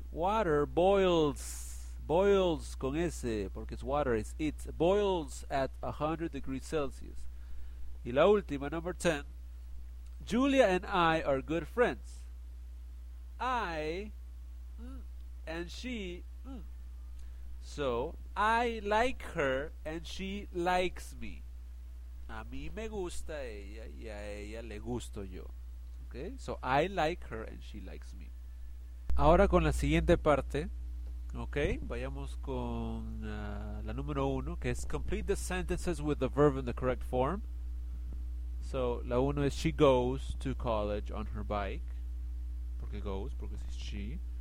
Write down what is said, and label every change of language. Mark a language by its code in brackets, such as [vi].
[en] Water boils [es] con S, porque es [en] water, is it boils at 100 degrees Celsius. [es] Y la última, [en] number 10. Julia and I are good friends. I and she. So, I like her and she likes me. [es] A mí me gusta ella y a ella le gusto yo. [en] Okay? So, I like her and she likes me. [es] Ahora con la siguiente parte. Ok, vayamos con la número 1, que es [en] complete the sentences with the verb in the correct form. So, [es] la 1 es [en] she goes to college on her bike. [es] ¿Por qué [en] goes? [es] Porque es [en] she.